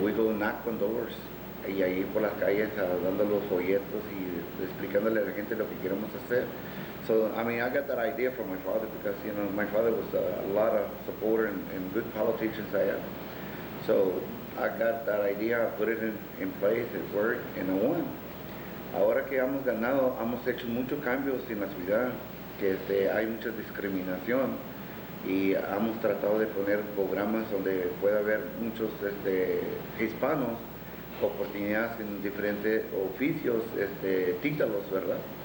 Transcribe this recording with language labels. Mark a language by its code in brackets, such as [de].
[en] We go knock on doors, [es] y ahí por las calles dando los folletos y explicándole a la gente lo que queremos hacer. [en] So, I mean, I got that idea from my father, because, you know, my father was a lot of supporter and good politicians I had. So I got that idea, I put it in place, it worked, and I won. [es] Ahora que hemos ganado, hemos hecho muchos cambios en la ciudad. Que hay mucha discriminación y hemos tratado de poner programas donde pueda haber muchos hispanos oportunidades en diferentes oficios, títulos, ¿verdad?